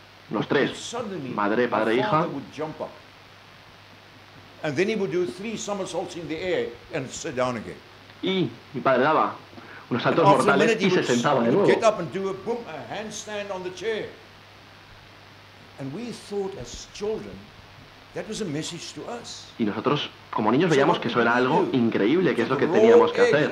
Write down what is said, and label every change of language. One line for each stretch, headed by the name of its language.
Spanish: Los tres, madre, padre e hija.
English: And then he would do 3 somersaults in the air and sit down again.
Spanish: Y mi padre daba unos saltos mortales y se sentaba de nuevo.
English: Get up and do a boom, a handstand on the chair. And we thought as children that was a message to us.
Spanish: Y nosotros como niños veíamos que eso era algo increíble, que es lo que teníamos que hacer.